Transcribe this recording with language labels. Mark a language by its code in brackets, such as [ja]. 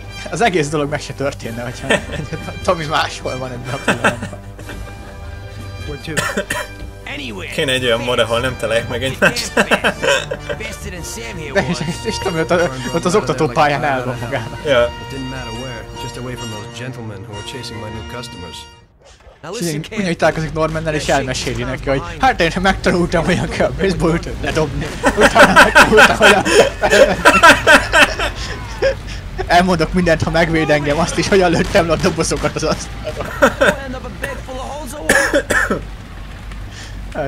[hu] Az egész dolog meg se történne, hogyha Tomi máshol van ebben a pillanatban. Kéne egy olyan Morello, nem találják meg egymást. És Tomi ott az oktatópályán áll van magának. Ja. [en] Just away from those gentlemen who are chasing my new customers. [hu] Úgy, hogy találkozik Normannel és elmeséli neki, hogy hát én megtanultam, hogy a baseball ütőt ledobni. Elmondok mindent, ha megvéd engem azt is, hogyan lőttem le a dobozokat az asztalon.